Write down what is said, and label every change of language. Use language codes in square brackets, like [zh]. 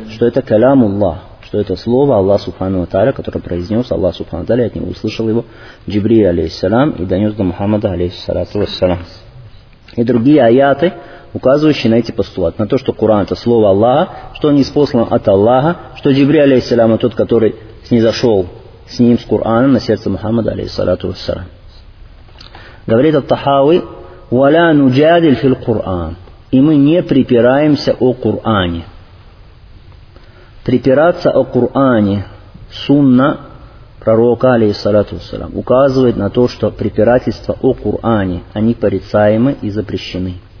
[ru] Что это калям Аллах. Что это слово Аллах Субхану Тааля, которое произнес Аллах Субхану Тааля, от него услышал его Джибри алейхиссалам и донес до Мухаммада алейхиссалату вассалам. И другие аяты, указывающие на эти постулаты. На то, что Куран это слово Аллаха, что он ниспослан от Аллаха, что Джибри алейхиссалам это тот, который снизошел с ним, с Кураном, на сердце Мухаммада алейхиссалату вассалам. Говорит ат-Тахави, [ar] وَلَا نُجَادِلْ فِي الْقُرْآنِ. [ru] И мы не припираемся о Коране. Припираться о Коране, сунна пророка, алейхиссалату вассалям, указывает на то, что препирательства о Коране, они порицаемы и запрещены.